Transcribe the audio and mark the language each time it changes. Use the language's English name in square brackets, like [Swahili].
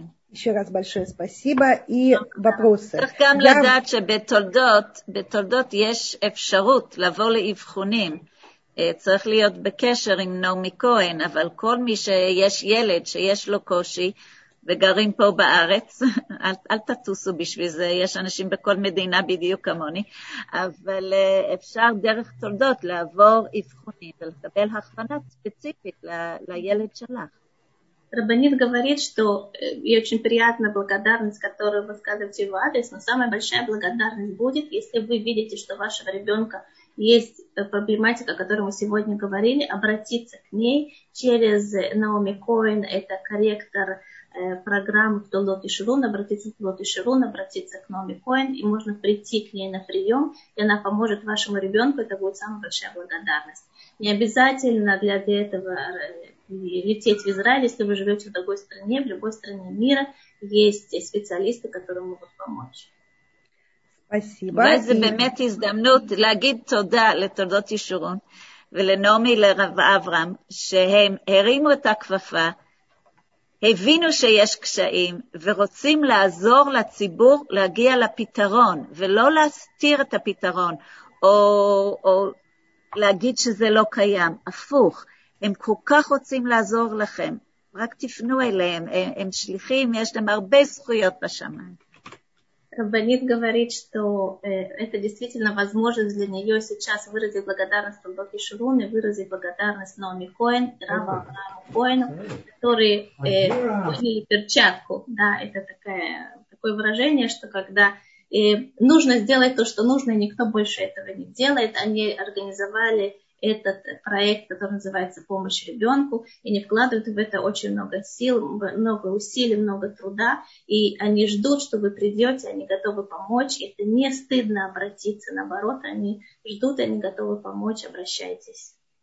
[Russian] Еще раз большое спасибо и вопросы. [Hebrew] צריך גם לדעת שבתולדות יש אפשרות לבוא לאבחונים. צריך להיות בקשר עם נעמי כהן, אבל כל מי שיש ילד שיש לו קושי וגרים פה בארץ, אל תטוסו בשביל זה, יש אנשים בכל מדינה בדיוק כמוני, אבל אפשר דרך תולדות לעבור אבחונים ולקבל הכוונה ספציפית לילד שלך. [Russian] Рабанит говорит, что ей очень приятна благодарность, которую вы сказываете в адрес, но самая большая благодарность будет, если вы видите, что у вашего ребенка есть проблематика, о которой мы сегодня говорили, обратиться к ней через Наоми Коэн, это корректор программы «Толот и Шерун», обратиться к «Толот и Шерун», обратиться к Наоми Коэн, и можно прийти к ней на прием, и она поможет вашему ребенку, это будет самая большая благодарность. Не обязательно для этого лететь в Израиль, если вы живете в другой стране, в любой стране мира есть специалисты, которые могут помочь. Спасибо. Вот это [Hebrew] באמת הזדמנות להגיד תודה לתולדות ישורון ולנעמי לרב אברהם שהם הרימו את הכפפה הבינו שיש קשיים ורוצים לעזור לציבור להגיע לפתרון ולא להסתיר את הפתרון או להגיד שזה לא קיים. הפוך, הם כל כך רוצים לעזור לכם, רק תפנו אליהם, הם שליחים, יש להם הרבה זכויות בשמיים. [Russian] Раббанит говорит, что это действительно возможность для нее сейчас выразить благодарность Рабби Шалом и выразить благодарность Номи Коэн, Рабби Аврааму Коэну, который поднял перчатку. Да, это такое выражение, что когда нужно сделать то, что нужно, и никто больше этого не делает, они организовали этот проект, который называется «Помощь ребенку», и они вкладывают в это очень много сил, много усилий, много труда, и они ждут, что вы придете, они готовы помочь, это не стыдно обратиться, наоборот, они ждут, они готовы помочь, обращайтесь.